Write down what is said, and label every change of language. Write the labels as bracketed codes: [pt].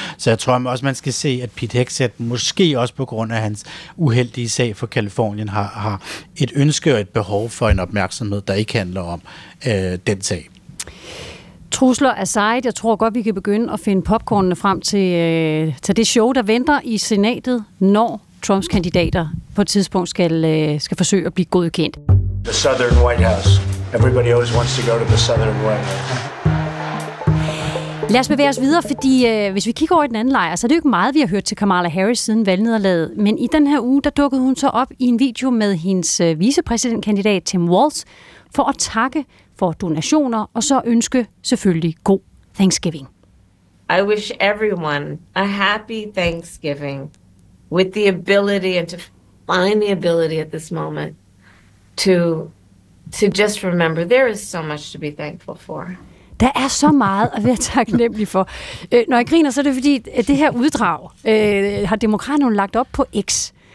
[da] Så jeg tror også, man skal se, at Pete Hegseth måske også på grund af hans uheldige sag for Californien har et ønske og et behov for en opmærksomhed, der ikke handler om den sag. Trusler aside, jeg tror godt, vi kan begynde at finde popcornene frem til det show, der venter i senatet, når Trumps kandidater på et tidspunkt skal forsøge at blive godkendt. [en] The Southern White House. Everybody always wants to go to the Southern White House. [da] Lad os bevæge os videre, fordi hvis vi kigger over i den anden lejr, så er det jo ikke meget, vi har hørt til Kamala Harris siden valgnederlaget. Men i den her uge, der dukkede hun så op i en video med hendes vicepræsidentkandidat Tim Walz for at takke for donationer og så ønske selvfølgelig god Thanksgiving. [en] I wish everyone a happy Thanksgiving with the ability and to find the ability at this moment to just remember there is so much to be thankful for. [da] Der er så meget at være taknemmelig for. Når jeg griner, så er det fordi, at det her uddrag har demokraterne lagt op på X.